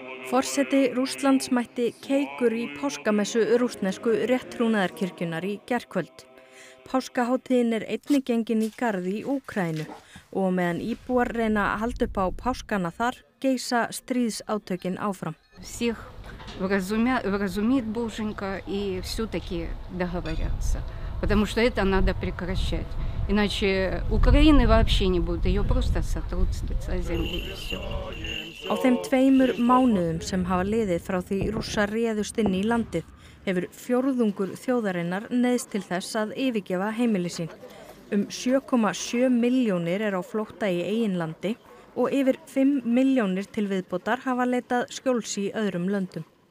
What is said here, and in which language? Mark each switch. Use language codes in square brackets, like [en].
[is] Forseti Rússlands mætti keikur í páskamessu rússnesku rétttrúnaðarkirkjunnar í gærkvöld. Páskahátíðin einnig gengin í garð í Úkraínu og meðan íbúar reyna að halda upp á páskana þar geisa stríðsátökin áfram. [uk] Всіх розуміє боженька і все-таки договоряться. Потому що це треба прекращати. Іначе України взагалі не буде, її просто сотруть з лиця землі і все. [is] Á þeim 2 mánuðum sem hafa liðið frá því Rússar réðust inn í landið hefur fjórðungur þjóðarinnar neyðst til þess að yfirgefa heimili sín. 7,7 milljónir á flótta í eigin landi og yfir 5 milljónir til viðbótar hafa leitað skjóls í öðrum löndum.